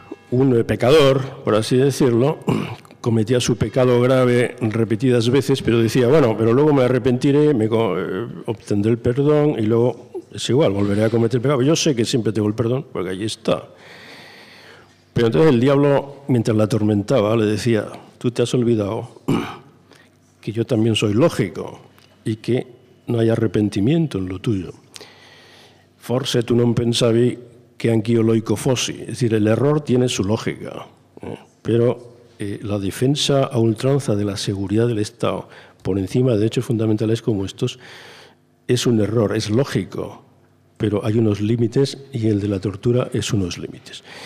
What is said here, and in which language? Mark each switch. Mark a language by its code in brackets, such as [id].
[es] Uno, el pecador, por así decirlo, cometía su pecado grave repetidas veces, pero decía, bueno, pero luego me arrepentiré, obtendré el perdón y luego es igual, volveré a cometer el pecado. Yo sé que siempre tengo el perdón, porque ahí está. Pero entonces el diablo, mientras la atormentaba, le decía, tú te has olvidado que yo también soy lógico y que no hay arrepentimiento en lo tuyo. [it] Forse tu non pensavi che anch'io loico fossi. [es] Es decir, el error tiene su lógica, pero la defensa a ultranza de la seguridad del Estado por encima de derechos fundamentales como estos es un error, es lógico, pero hay unos límites y el de la tortura es unos límites.